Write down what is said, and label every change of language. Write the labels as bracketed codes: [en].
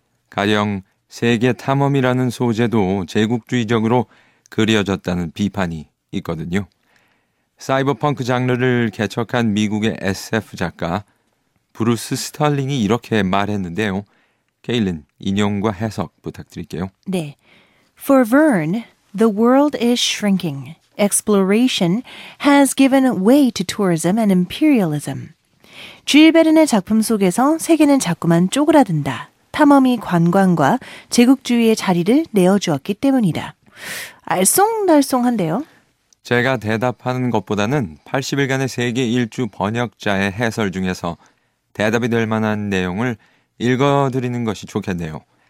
[ko] 가령 세계 탐험이라는 소재도 제국주의적으로 그려졌다는 비판이 있거든요. 사이버펑크 장르를 개척한 미국의 SF 작가 브루스 스털링이 이렇게 말했는데요. 케일린, 인용과 해석 부탁드릴게요. 네. [en] For Verne, the world is shrinking. Exploration has given way to tourism and imperialism. [ko] 줄 베른의 작품 속에서 세계는 자꾸만 쪼그라든다. 탐험이 관광과 제국주의의 자리를 내어주었기 때문이다. 알쏭달쏭한데요. 제가 대답하는 것보다는 80일간의 세계 일주 번역자의 해설 중에서 대답이 될 만한 내용을 읽어드리는 것이 좋겠네요.